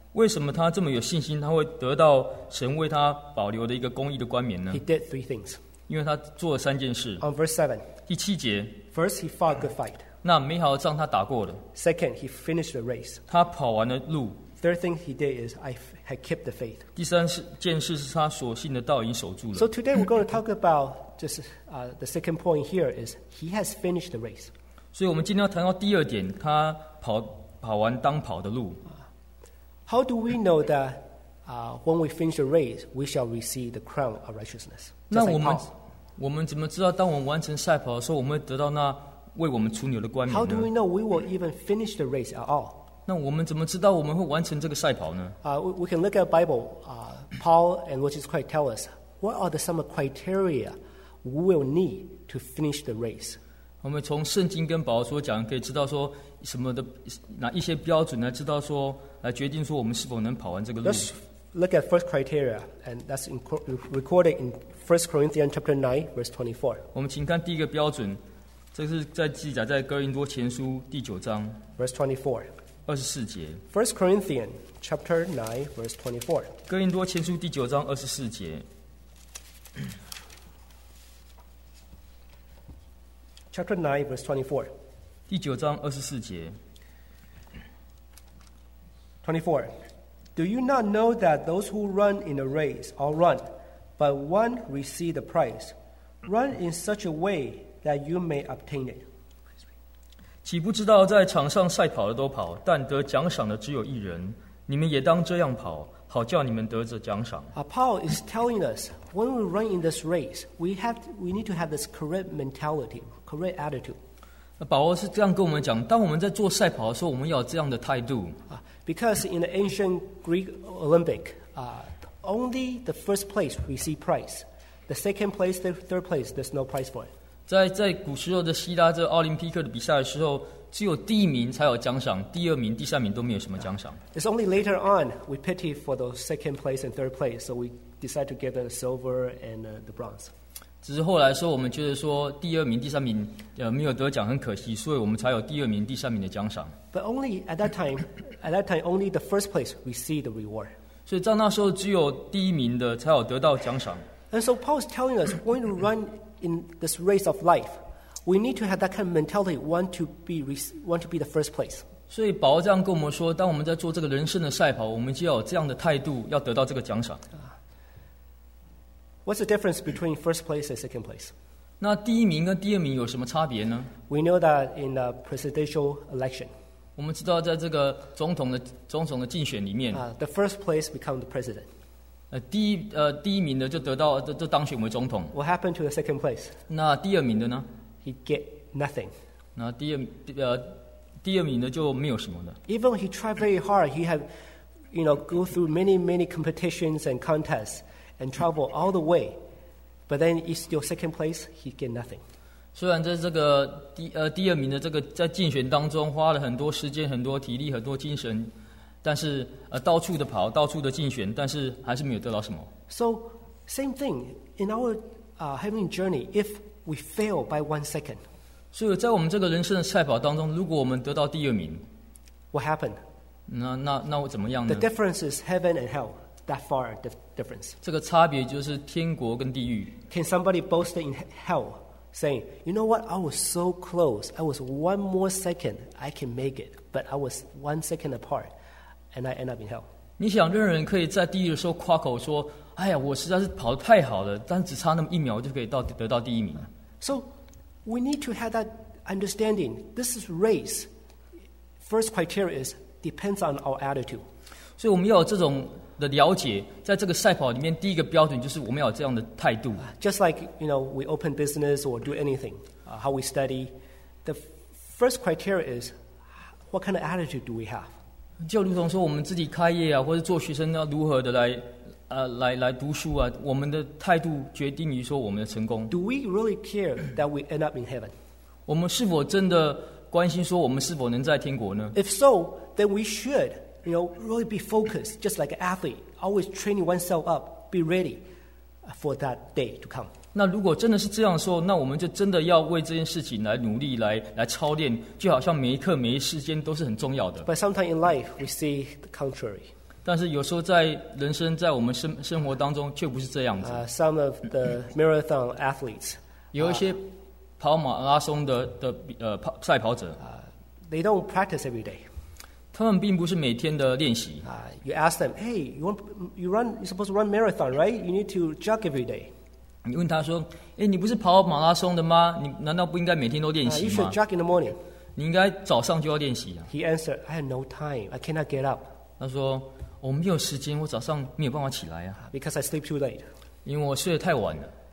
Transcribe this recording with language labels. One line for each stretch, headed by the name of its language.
Chinese: 为什么他这么有信心他会得到神为他保留的一个公义的冠冕呢？
English: He did three things.
Chinese: 因为他做了三件事。
English: On verse 7.
Chinese: 第七节。
English: First, he fought a good fight.
Chinese: 那美好的仗他打过了。
English: Second, he finished the race.
Chinese: 他跑完了路。
English: Third thing he did is I had kept the faith.
Chinese: 第三件事是他所信的道已经守住了。
English: So today we're going to talk about just the second point here is he has finished the race.
Chinese: 所以我们今天要谈到第二点，他跑完当跑的路。
English: How do we know that when we finish the race, we shall receive the crown of righteousness?
Chinese: 那我们怎么知道当我们完成赛跑的时候，我们会得到那为我们存留的冠冕呢？
English: How do we know we will even finish the race at all?
Chinese: 那我们怎么知道我们会完成这个赛跑呢？
English: We can look at Bible. Paul and Lord Jesus Christ tell us what are the some criteria we will need to finish the race.
Chinese: 我们从圣经跟保罗所讲，可以知道说什么的哪一些标准来知道说。来决定说我们是否能跑完这个路。
English: Let's look at first criteria, and that's recorded in 1 Corinthians chapter 9, verse 24.
Chinese: 我们请看第一个标准，这是在记载在哥林多前书第九章
English: ，verse 24,
Chinese: 二十四节。
English: First Corinthians chapter 9, verse 24.
Chinese: 哥林多前书第九章二十四节。
English: Chapter 9, verse 24.
Chinese: 第九章二十四节。
English: 24. Do you not know that those who run in a race all run, but one receives the prize? Run in such a way that you may obtain it.
Chinese: 岂不知道在场上赛跑的都跑，但得奖赏的只有一人。你们也当这样跑，好叫你们得着奖赏。
English: Paul is telling us when we run in this race, we need to have this correct mentality, correct attitude.
Chinese: 保罗是这样跟我们讲，当我们在做赛跑的时候，我们要有这样的态度。
English: Because in the ancient Greek Olympic, only the first place receive prize. The second place, the third place, there's no prize for it.
Chinese: 在古时候的希腊这奥林匹克的比赛的时候，只有第一名才有奖赏，第二名、第三名都没有什么奖赏。
English: It's only later on we pity for the second place and third place, so we decide to give them the silver and the bronze.
Chinese: 只是后来说，我们觉得说第二名、第三名没有得奖很可惜，所以我们才有第二名、第三名的奖赏。
English: But only at that time, only the first place received the reward.
Chinese: 所以在那时候只有第一名的才有得到奖赏。
English: And so Paul is telling us, when we run in this race of life, we need to have that kind of mentality, want to be the first place.
Chinese: 所以保罗这样跟我们说，当我们在做这个人生的赛跑，我们就要有这样的态度，要得到这个奖赏。
English: What's the difference between first place and second place?
Chinese: 那第一名跟第二名有什么差别呢？
English: We know that in the presidential election,
Chinese: 我们知道在这个总统的竞选里面，
English: the first place become the president.
Chinese: 第一名的就当选为总统。
English: What happened to the second place?
Chinese: 那第二名的呢？
English: He get nothing.
Chinese: 那第二名的就没有什么的。
English: Even he tried very hard, he had, you know, go through many many competitions and contests. And travel all the way, but then he's still second place. He get nothing.
Chinese: 虽然在这个第二名的这个在竞选当中花了很多时间、很多体力、很多精神，但是到处的跑、到处的竞选，但是还是没有得到什么。
English: So same thing in our heavenly journey. If we fail by 1 second,
Chinese: 所以在我们这个人生的赛跑当中，如果我们得到第二名
English: ，What happened?
Chinese: 那我怎么样呢
English: ？The difference is heaven and hell. That far difference.
Chinese: 这个差别就是天国跟地狱。
English: Can somebody boast in hell, saying, "You know what? I was so close. I was one more second. I can make it, but I was 1 second apart, and I end up in hell."
Chinese: 你想任何人可以在地狱的时候夸口说，哎呀，我实在是跑得太好了，但只差那么一秒就可以得到第一名。
English: So we need to have that understanding. This is race. First criteria is depends on our attitude.
Chinese: 所以我们要有这种的了解，在这个赛跑里面，第一个标准就是我们要有这样的态度。
English: Just like you know, we open business or do anything, how we study, the first criteria is what kind of attitude do we have.
Chinese: 就如同说我们自己开业啊，或者做学生要如何的来读书啊，我们的态度决定于说我们的成功。
English: Do we really care that we end up in heaven?
Chinese: 我们是否真的关心说我们是否能在天国呢
English: ？If so, then we should. You know, really be focused, just like an athlete, always training oneself up, be ready for that day to come.
Chinese: 那如果真的是这样说，那我们就真的要为这件事情来努力，来操练，就好像每一刻每一时间都是很重要的。
English: But sometimes in life, we see the contrary.
Chinese: 但是有时候在人生，在我们生活当中，却不是这样子。
English: Some of the marathon athletes,
Chinese: 有一些跑马拉松的赛跑者，
English: they don't practice every day.
Chinese: 他们并不是每天的练习。
English: You ask them, hey, you're supposed to run marathon, right? You need to jog every day.
Chinese: 你问他说，哎，你不是跑马拉松的吗？你难道不应该每天都练习吗？
English: You should jog in the morning.
Chinese: 你应该早上就要练习啊。
English: He answered, I have no time. I cannot get up.
Chinese: 他说，我没有时间，我早上没有办法起来啊。
English: Because I sleep too late.
Chinese: 因为我睡得太晚了。